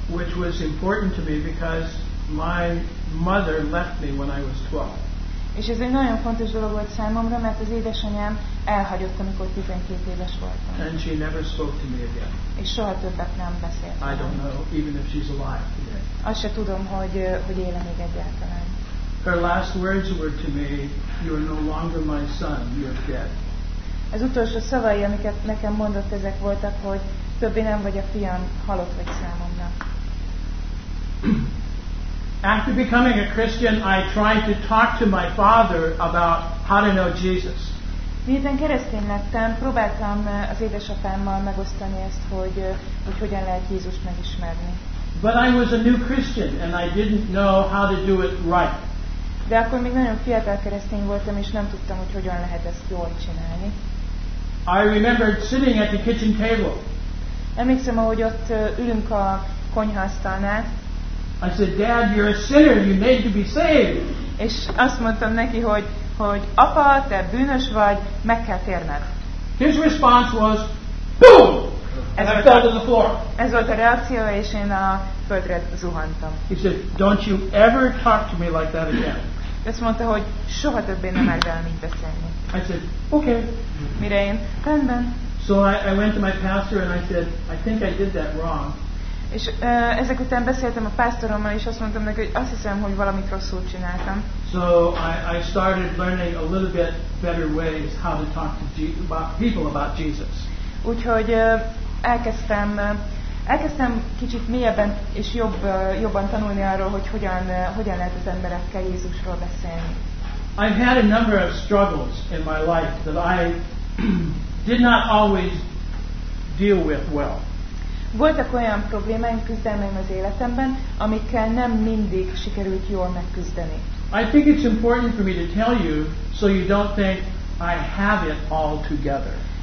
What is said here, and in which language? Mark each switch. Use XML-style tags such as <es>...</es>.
<en>Which was important to me because my mother left me when I was 12.</en> <hu>És ez egy nagyon fontos dolog volt számomra, mert az édesanyám elhagyott, amikor 12 éves voltam.</hu> <en>And she never spoke to me again.</en> <hu>És soha többet nem beszélt.</hu> <en>I don't know even if she's alive today.</en> <hu>Azt se tudom, hogy él-e még egyáltalán.</hu> <en>Her last words were to me, you are no longer my son, you are dead.</en> <hu>Az utolsó szavai, amiket nekem mondott, ezek voltak, hogy többé nem vagy a fiam, halott vagy számomra.</hu> <en>After becoming a Christian, I tried to talk to my father about how to know Jesus.</en> <hu>Miután keresztény lettem, próbáltam az édesapámmal megosztani ezt, hogy hogyan lehet Jézust megismerni.</hu> <en>But I was a new Christian, and I didn't know how to do it right.</en> <hu>De akkor még nagyon fiatal keresztény voltam, és nem tudtam, hogy hogyan lehet ezt jól csinálni.</hu> <en>I remembered sitting at the kitchen table.</en> <hu>Emlékszem, ahogy ott ülünk a konyhaasztalnál.</hu> <en>I said, Dad, you're a sinner, you need to be saved.</en> <hu>És azt mondtam neki, hogy apa, te bűnös vagy, meg kell térned.</hu> <en>His response was, boom! And I fell to the floor.</en> <hu>Ez volt a reakció, és én a földre zuhantam.</hu> <en>He said, don't you ever talk to me like that again.</en> <hu>Azt mondta, hogy soha többé nem merd el mit beszélni.</hu> <en>I said, okay.</en> <hu>Mire én, rendben.</hu> <en>So I went to my pastor and I said, I think I did that wrong.</en> <hu>És ezek után beszéltem a pásztorommal, és azt mondtam neki, hogy azt hiszem, hogy valamit rosszul csináltam.</hu> <en>So I started learning a little bit better ways how to talk to people about Jesus.</en> <hu>Úgyhogy elkezdtem kicsit mélyebben és jobban tanulni arról, hogy hogyan lehet az emberekkel Jézusról beszélni.</hu> <en>I've had a number of struggles in my life that I did not always deal with well.</en> <hu>Voltak olyan problémáim, küzdelmeim az életemben, amikkel nem mindig sikerült jól megküzdeni.</hu> <en>I think it's important for me to tell you so you don't think I have it all together.</en>